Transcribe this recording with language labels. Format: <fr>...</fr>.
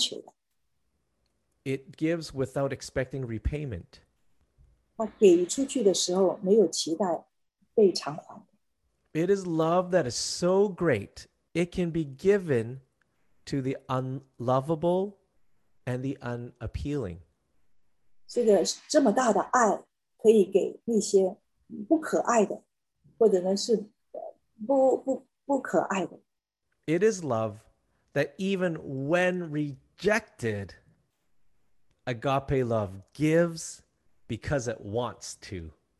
<zh>是一个不自私的给的爱，而不是要求的。It</zh> <en>gives without expecting repayment.</en> <zh>它给出去的时候没有期待被偿还。</zh> <en>It is love that is so great, it can be given to the unlovable and the unappealing.</en> <zh>这么大的爱可以给那些不可爱的,或者呢是不可爱的。</zh> <en>It is love that even when rejected, agape love gives because it wants to.</en>